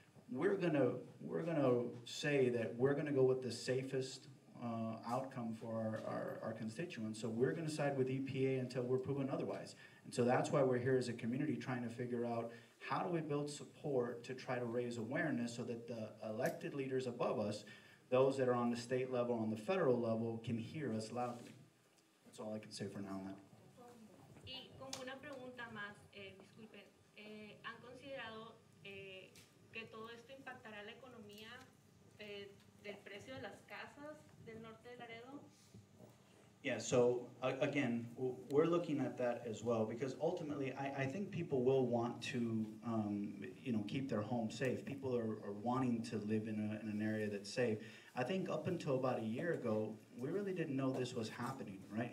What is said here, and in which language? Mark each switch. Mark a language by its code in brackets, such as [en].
[en] We're gonna say that we're gonna go with the safest outcome for our constituents, so we're gonna side with EPA until we're proven otherwise. And so that's why we're here as a community trying to figure out how do we build support to try to raise awareness so that the elected leaders above us, those that are on the state level, on the federal level, can hear us loudly? That's all I can say for now on that. [es] Y como una pregunta más, disculpen, ¿han considerado que todo esto impactará la economía del precio de las casas del norte de Laredo. [en] Yeah, so again, we're looking at that as well, because ultimately I think people will want to, you know, keep their home safe. People are wanting to live in an area that's safe. I think up until about a year ago, we really didn't know this was happening, right?